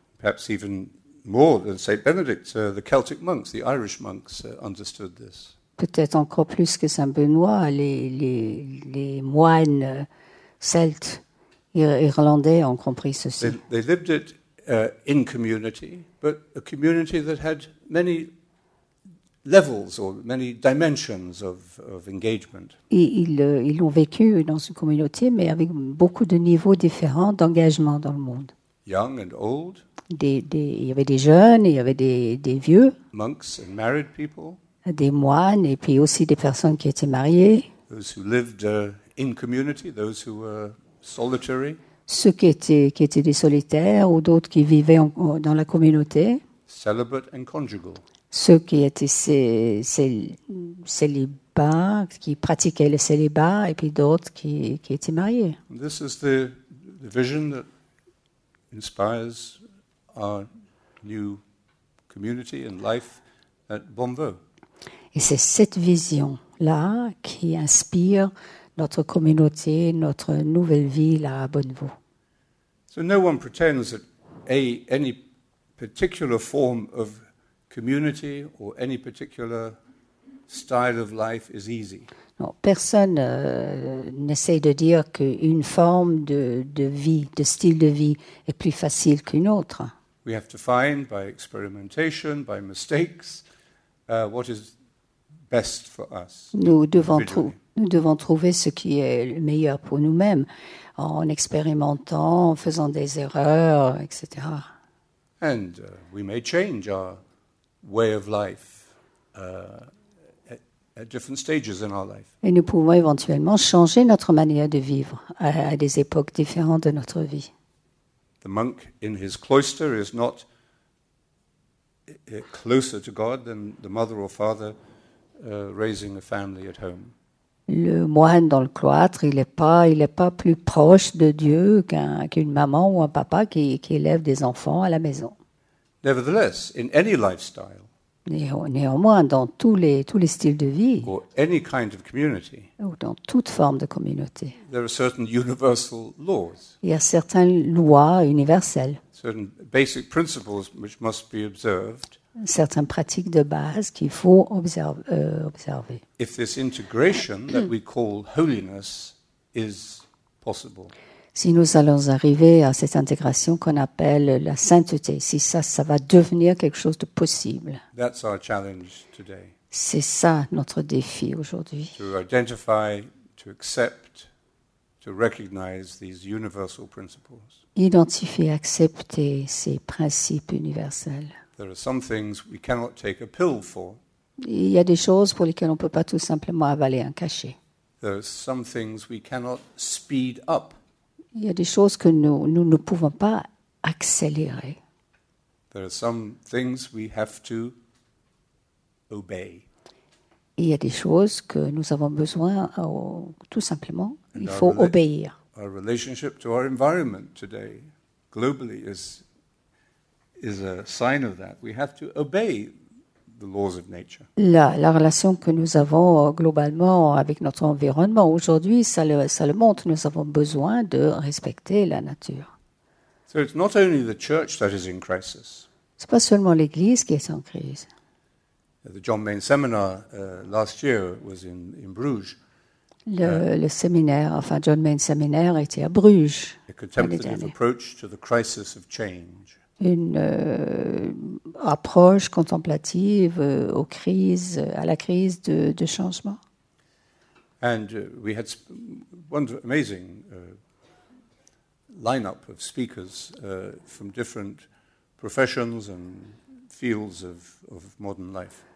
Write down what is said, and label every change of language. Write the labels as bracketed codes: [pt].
[en] Perhaps even more than Saint Benedict, the Celtic monks, the Irish monks, understood this. [fr] Peut-être encore plus que Saint Benoît, les moines celtes irlandais ont compris ceci. [en] They lived it in community, but a community that had many levels or many dimensions of engagement. [fr] Ils ont vécu dans une communauté, mais avec beaucoup de niveaux différents d'engagement dans le monde. [en] Young and old. [fr] Il y avait des jeunes, il y avait des vieux. [en] Monks and married people. [fr] Des moines et puis aussi des personnes qui étaient mariées. [en] Those who lived in community, those who were solitary. [fr] Ceux qui étaient des solitaires ou d'autres qui vivaient dans la communauté. [en] Celibate and conjugal. [fr] Ceux qui étaient célibats, qui pratiquaient le célibat, et puis d'autres qui étaient mariés. [en] This is the vision that inspires our new community and life at Bonveau. [fr] Et c'est cette vision-là qui inspire notre communauté, notre nouvelle vie là à Bonveau. [en] So no one pretends that any particular form of community or any particular style of life is easy. [fr] Non, personne n'essaie de dire qu'une forme de vie, de style de vie, est plus facile qu'une autre. [en] We have to find by experimentation, by mistakes, what is best for us. [fr] Nous devons trouver ce qui est le meilleur pour nous-mêmes en expérimentant, en faisant des erreurs, etc. [en] And we may change our way of life at different stages in our life. [fr] Et nous pouvons éventuellement changer notre manière de vivre à des époques différentes de notre vie. [en] The monk in his cloister is not closer to God than the mother or father raising a family at home. [fr] Le moine dans le cloître, il n'est pas plus proche de Dieu qu'une maman ou un papa qui élève des enfants à la maison. [en] Nevertheless, in any lifestyle, [fr] néanmoins, dans tous les styles de vie, [en] or any kind of community, [fr] ou dans toute forme de communauté, [en] there are certain universal laws. [fr] Il y a certaines lois universelles. [en] Certain basic principles which must be observed. [fr] Certaines pratiques de base qu'il faut observer. [en] If this integration that we call holiness is possible. [fr] Si nous allons arriver à cette intégration qu'on appelle la sainteté, si ça va devenir quelque chose de possible. [en] That's our challenge today. [fr] C'est ça notre défi aujourd'hui. [en] To identify, to accept, to recognize these universal principles. [fr] Identifier, accepter ces principes universels. [en] There are some things we cannot take a pill for. [fr] Il y a des choses pour lesquelles on ne peut pas tout simplement avaler un cachet. [en] There are some things we cannot speed up. [fr] Il y a des choses que nous ne pouvons pas accélérer. [en] There are some things we have to obey. [fr] Il y a des choses que nous avons besoin, tout simplement, il faut obéir. [en] Our relationship to our environment today, globally, is a sign of that. We have to obey the laws of nature. [fr] La relation que nous avons globalement avec notre environnement aujourd'hui, ça le montre, nous avons besoin de respecter la nature. [en] So it's not only the church that is in crisis. [fr] C'est pas seulement l'église qui est en crise. [en] The John Main seminar last year was in Bruges. [fr] Le séminaire, enfin John Main seminaire était à Bruges. [en] A contemplative approach to the crisis of change. [fr] Une approche contemplative aux crises, à la crise de changement. [en] And we had amazing lineup of speakers from different professions and fields of modern life.